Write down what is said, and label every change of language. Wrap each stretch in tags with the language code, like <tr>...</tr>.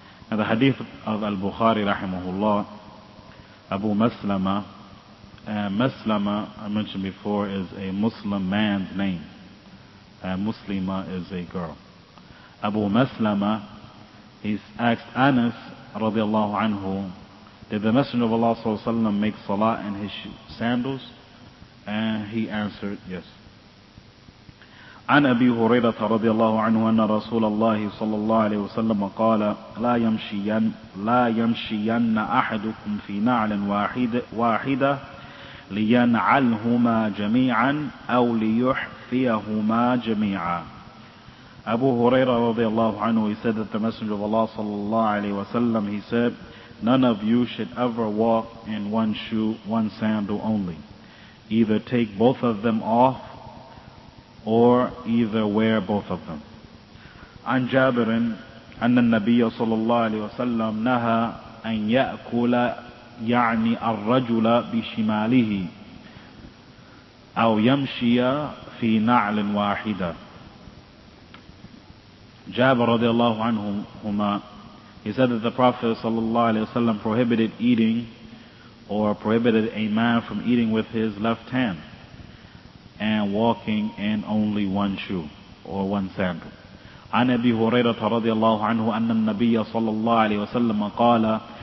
<en>And the hadith of Al-Bukhari rahimahullah, Abu Maslama, and Maslama, I mentioned before, is a Muslim man's name. And Muslima is a girl. Abu Maslama, he's asked Anas</en> <ar>radiallahu anhu,</ar> <en>did the Messenger of Allah</en> <ar>sallallahu alayhi wa sallam</ar> <en>make salah in his sandals? And he answered, yes.</en> <ar>عن أبي هريرة رضي الله عنه أن رسول الله صلى الله عليه وسلم قال لا يمشين أحدكم في نعل واحدة لينعلهما جميعا أو ليحفيهما جميعا.</ar> <en>أبو هريرة</en> <ar>رضي الله عنه,</ar> <en>he said that the Messenger of Allah</en> <ar>صلى الله عليه وسلم,</ar> <en>he said, none of you should ever walk in one shoe, one sandal only. Either take both of them off, or either wear both of them.</en> <ar>عن جابر أن النبي صلى الله عليه وسلم نهى أن يأكل يعني الرجل بشماله أو يمشي في نعل واحدة.</ar> <en>جابر</en> <ar>رضي الله عنهما,</ar> <en>he said that the Prophet</en> <ar>صلى الله عليه وسلم</ar> <en>prohibited eating, or prohibited a man from eating with his left hand and walking in only one shoe or one sandal.</en> <ar>عن أبي هريرة رضي الله عنه أن النبي صلى الله عليه وسلم قال</ar>